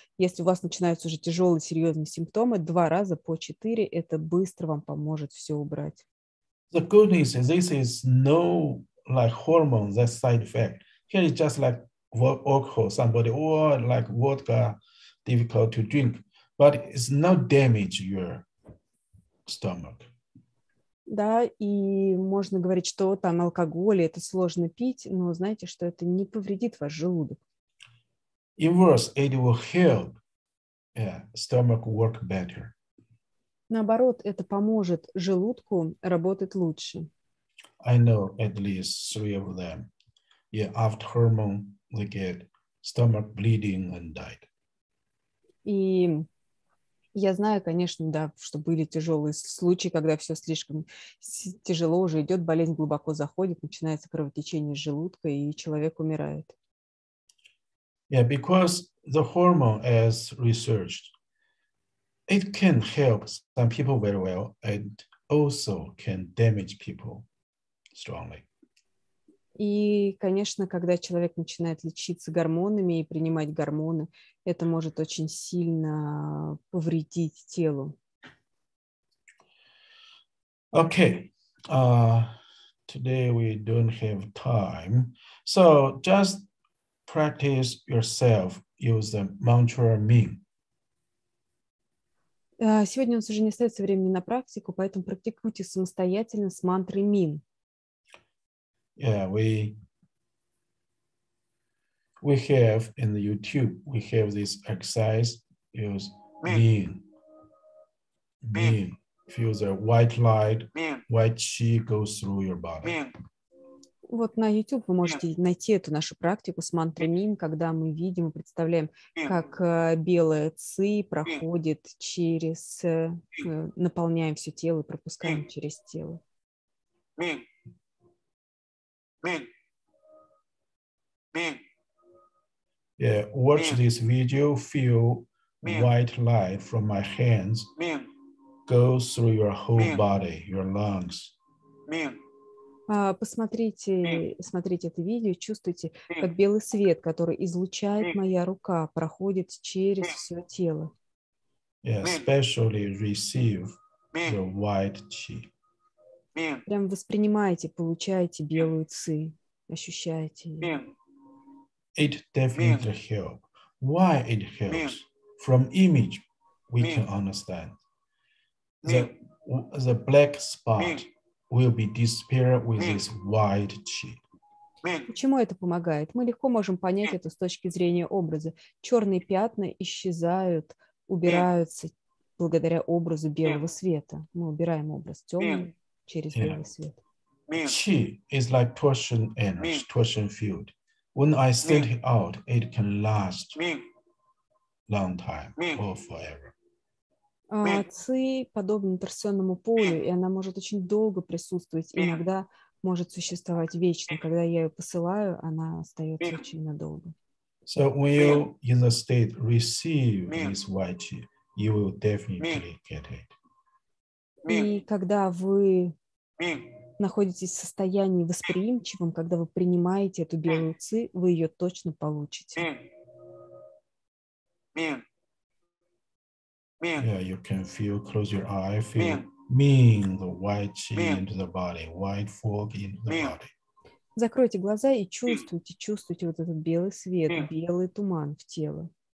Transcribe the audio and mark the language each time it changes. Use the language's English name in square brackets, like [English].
[Russian] Если у вас начинаются уже тяжелые, серьезные симптомы, два раза по 4, это быстро вам поможет все убрать. [English] The good news is this is no like hormone, that side effect. Here it's just like alcohol, somebody, or like vodka, difficult to drink, but it's not damage your stomach. [Russian] Да, и можно говорить, что там алкоголь, это сложно пить, но знаете, что это не повредит ваш желудок. [English] Inverse, it will help stomach work better. [Russian] Наоборот, это поможет желудку работать лучше. [English] I know at least three of them. Yeah, after hormone, they get stomach bleeding and died. [Russian] И я знаю, конечно, да, что были тяжелые случаи, когда все слишком тяжело уже идет, болезнь глубоко заходит, начинается кровотечение из желудка, и человек умирает. [English] Yeah, because the hormone, as researched, it can help some people very well and also can damage people strongly. [Russian] И, конечно, когда человек начинает лечиться гормонами и принимать гормоны, это может очень сильно повредить телу. [English] Okay. Today we don't have time. So just practice yourself. Use the mantra Ming. [Russian] Сегодня у нас уже не остается времени на практику, поэтому практикуйте самостоятельно с мантрой Ming. [English] Yeah, we have in the YouTube, we have this exercise, use Bing. Bing. feel the white light, white chi goes through your body. [Russian] Вот на YouTube вы можете найти эту нашу практику с мантрой Мин, когда мы видим и представляем, как белая ци проходит через, наполняем все тело и пропускаем через тело. Мин. Мин. Мин. [English] Yeah, watch this video, feel white light from my hands goes through your whole body, your lungs. [Russian] Мин. Посмотрите, смотрите это видео, чувствуйте, как белый свет, который излучает моя рука, проходит через все тело. [English] Yeah, especially receive the white chi. [Russian] Прям воспринимаете, получаете белую ци, ощущаете ее. [English] It definitely helps. Why it helps? From image, we can understand. The black spot will be disappeared with this white chi. [Russian] Почему это помогает? Мы легко можем понять это с точки зрения образа. Черные пятна исчезают, убираются благодаря образу белого света. Мы убираем образ темный через белый свет. [English] Chi is like torsion energy, torsion field. When I send it out, it can last long time or forever. [Russian] Ци подобна торсионному полю, и она может очень долго присутствовать, и иногда может существовать вечно. Когда я ее посылаю, она остается очень надолго. [English] So when you in the state receive this white chi, you will definitely get it. [Russian] И когда вы находитесь в состоянии восприимчивом, когда вы принимаете эту белую ци, вы ее точно получите. [English] Yeah, you can feel, close your eye, feel mean, the white chi into the body, white fog into the body. [Russian] Закройте глаза и чувствуйте, чувствуйте вот этот белый свет, белый туман в тело.